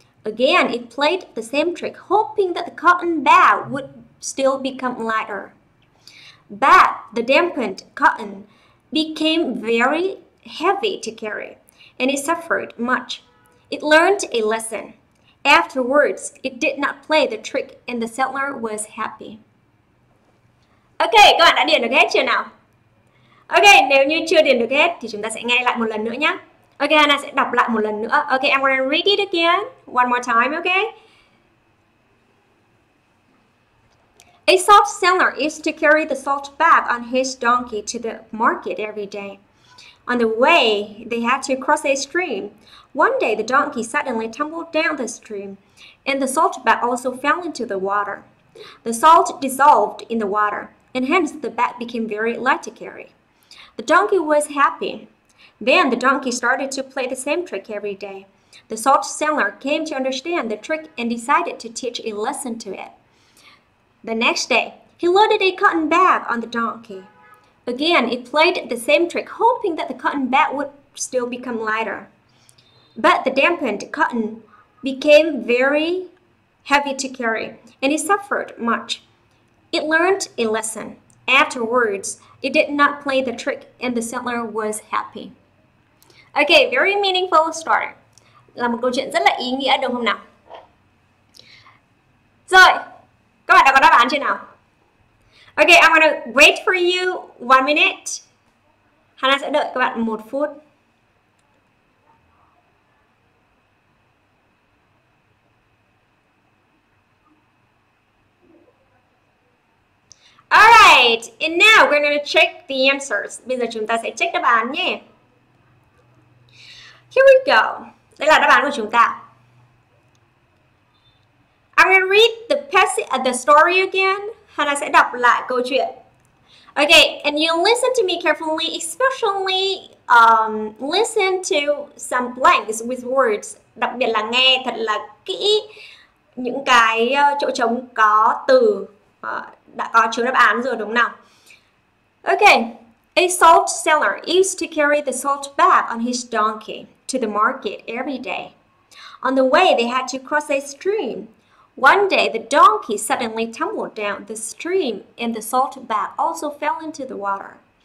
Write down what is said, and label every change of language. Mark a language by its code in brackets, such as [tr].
[en] Again, it played the same trick, hoping that the cotton bag would still become lighter. But the dampened cotton became very heavy to carry, and it suffered much. It learned a lesson. Afterwards, it did not play the trick, and the settler was happy. [vi] Okay, các bạn đã điền được hết chưa nào? Okay, nếu như chưa điền được hết, thì chúng ta sẽ nghe lại một lần nữa nhé. Okay, Anna sẽ đọc lại một lần nữa. [en] Okay, I'm gonna read it again, one more time, okay? A salt seller used to carry the salt bag on his donkey to the market every day. On the way, they had to cross a stream. One day, the donkey suddenly tumbled down the stream, and the salt bag also fell into the water. The salt dissolved in the water, and hence the bag became very light to carry. The donkey was happy. Then the donkey started to play the same trick every day. The salt seller came to understand the trick and decided to teach a lesson to it. The next day, he loaded a cotton bag on the donkey. Again, it played the same trick, hoping that the cotton bag would still become lighter. But the dampened cotton became very heavy to carry, and it suffered much. It learned a lesson. Afterwards, it did not play the trick, and the settler was happy. Okay, very meaningful story. [vi] Là một câu chuyện rất là ý nghĩa, đúng không nào? Rồi, các bạn đã có đáp án chưa nào? [en] Okay, I'm gonna wait for you 1 minute. [vi] Hana sẽ đợi các bạn 1 phút. [en] Alright, and now we're gonna check the answers. [vi] Bây giờ chúng ta sẽ check đáp án nhé. [en] Here we go. [vi] Đây là đáp án của chúng ta. [en] I'm gonna read the passage of the story again. [vi] Hana sẽ đọc lại câu chuyện. [en] Okay, and you listen to me carefully, especially listen to some blanks with words. [vi] Đặc biệt là nghe thật là kỹ những cái chỗ trống có từ đã có chứa đáp án rồi, đúng không nào? [en] Okay, a salt seller used to carry the salt bag on his donkey to the market every day. On the way, they had to cross a stream. One day, the donkey suddenly tumbled down the stream, and the salt bag also fell into the water.